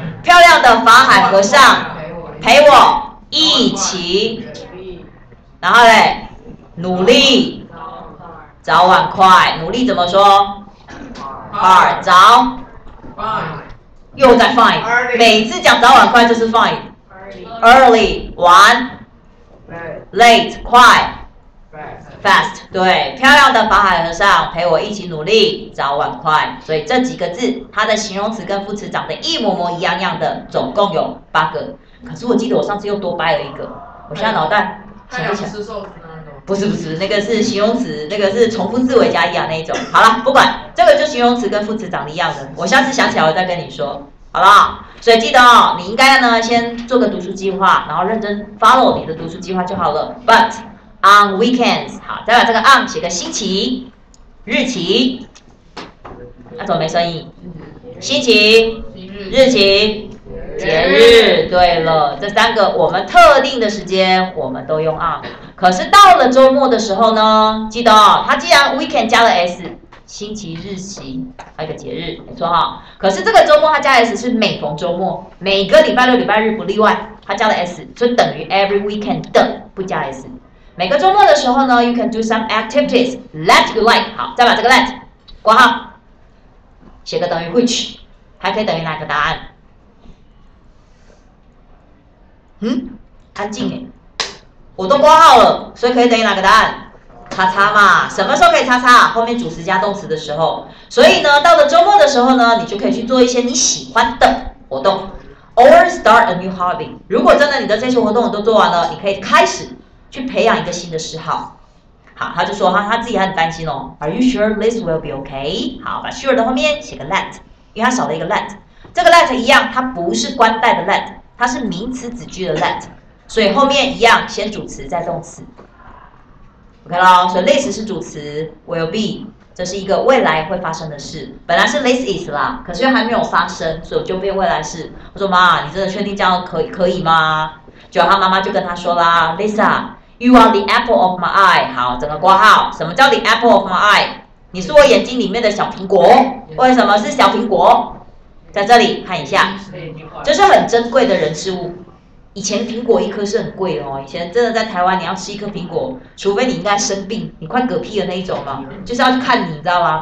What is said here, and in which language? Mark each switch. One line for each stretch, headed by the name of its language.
Chinese: 漂亮的法海和尚陪我一起，然后嘞，努力早晚快，努力怎么说？快早，又在 fine， 每次讲早晚快就是 fine。
English: Early
Chinese: 晚
English: ，late
Chinese: 快。 Fast， 对，漂亮的法海和尚陪我一起努力，早晚快。所以这几个字，它的形容词跟副词长得一模模一样样的，总共有八个。可是我记得我上次又多掰了一个，我现在脑袋想不起来。不是不是，那个是形容词，那个是重复字尾加 er 那一种。好了，不管，这个就形容词跟副词长得一样的，我下次想起来我再跟你说，好不好？所以记得哦，你应该呢先做个读书计划，然后认真 follow 你的读书计划就好了。
English: But on weekends，
Chinese: 好，再把这个 on 写个星期日期，那、啊、怎么没声音？星期一日，日期、节日。对了，这三个我们特定的时间我们都用 are。可是到了周末的时候呢，记得哦，它既然 weekend 加了 s， 星期日期还有一个节日，没错哈、哦。可是这个周末它加 s 是每逢周末，每个礼拜六、礼拜日不例外，它加了 s 就等于 every weekend 的不加 s。每个周末的时候呢
English: ，you can do some activities that you like。
Chinese: 好，再把这个 that 括号写个等于 which， 还可以等于哪个答案？嗯，安静哎。我都括号了，所以可以等于哪个答案？叉叉嘛，什么时候可以叉叉？后面主词加动词的时候。所以呢，到了周末的时候呢，你就可以去做一些你喜欢的活动 ，
English: or start a new hobby。
Chinese: 如果真的你的这些活动都做完了，你可以开始去培养一个新的嗜好。好，他就说他自己很担心哦。
English: Are you sure this will be okay？
Chinese: 好，把 sure 的后面写个 let， 因为他少了一个 let。这个 let 一样，它不是冠带的 let， 它是名词子句的 let。所以后面一样，先主词再动词 ，OK 咯。所以 this 是主词 ，will be 这是一个未来会发生的事。本来是 this is 啦，可是又还没有发生，所以我就变未来式。我说妈，你真的确定这样可以吗？结果他妈妈就跟他说啦 ，Lisa，
English: you are the apple of my eye。
Chinese: 好，整个括号，什么叫 the apple of my eye？你是我眼睛里面的小苹果。为什么是小苹果？在这里看一下，这是很珍贵的人事物。以前苹果一颗是很贵哦，以前真的在台湾，你要吃一颗苹果，除非你应该生病，你快嗝屁的那一种嘛，就是要去看你，你知道吗？